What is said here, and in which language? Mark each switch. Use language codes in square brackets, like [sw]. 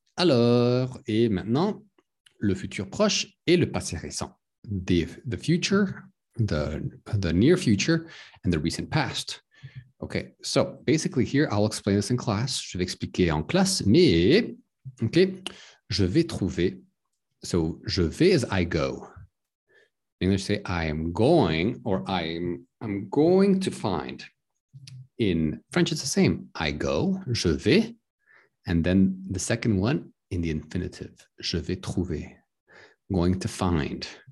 [fr] Alors, et maintenant, le futur proche et le passé récent. [en] The future, the near future, and the recent past. OK. So, basically here, I'll explain this in class. [fr] Je vais expliquer en classe, mais, OK, je vais trouver. [en] So, [fr] je vais [en] is I go. In English, say I am going, or I'm going to find. In French, it's the same. I go, [fr] je vais. [en] And then the second one in the infinitive, [fr] je vais trouver, [en] going to find.